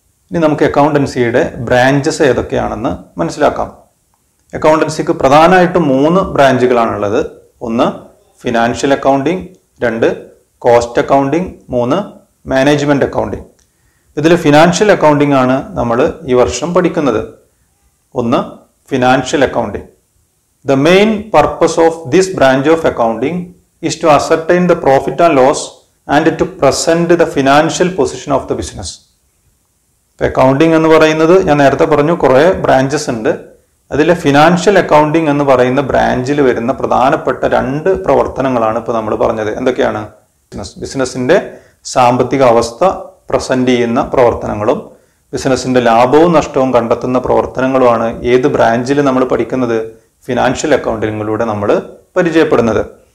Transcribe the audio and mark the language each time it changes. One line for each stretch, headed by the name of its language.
Malayalam: ഇനി നമുക്ക് അക്കൗണ്ടൻസിയുടെ ബ്രാഞ്ചസ് ഏതൊക്കെയാണെന്ന് മനസ്സിലാക്കാം. അക്കൗണ്ടൻസിക്ക് പ്രധാനമായിട്ടും മൂന്ന് ബ്രാഞ്ചുകളാണുള്ളത്. ഒന്ന് ഫിനാൻഷ്യൽ അക്കൗണ്ടിങ്, രണ്ട് കോസ്റ്റ് അക്കൗണ്ടിങ്, മൂന്ന് മാനേജ്മെൻറ്റ് അക്കൗണ്ടിങ്. ഇതിൽ ഫിനാൻഷ്യൽ അക്കൗണ്ടിങ് ആണ് നമ്മൾ ഈ വർഷം പഠിക്കുന്നത്. ഒന്ന് financial accounting.
English: The main purpose of this branch of accounting is to ascertain the profit and loss and to present the financial position of the business.
Malayalam: Accounting എന്ന് പറയുന്നത് ഞാൻ നേരത്തെ പറഞ്ഞു കുറേ ബ്രാഞ്ചസ് ഉണ്ട്. അതിലെ ഫിനാൻഷ്യൽ അക്കൗണ്ടിങ് എന്ന് പറയുന്ന ബ്രാഞ്ചിൽ വരുന്ന പ്രധാനപ്പെട്ട രണ്ട് പ്രവർത്തനങ്ങളാണ് ഇപ്പോൾ നമ്മൾ പറഞ്ഞത്. എന്തൊക്കെയാണ്, ബിസിനസ്സിൻ്റെ സാമ്പത്തിക അവസ്ഥ പ്രസൻറ്റ് ചെയ്യുന്ന പ്രവർത്തനങ്ങളും ബിസിനസ്സിൻ്റെ ലാഭവും നഷ്ടവും കണ്ടെത്തുന്ന പ്രവർത്തനങ്ങളുമാണ് ഏത് ബ്രാഞ്ചിൽ നമ്മൾ പഠിക്കുന്നത്, ഫിനാൻഷ്യൽ അക്കൗണ്ടിങ്ങിലൂടെ നമ്മൾ പരിചയപ്പെടുന്നത്.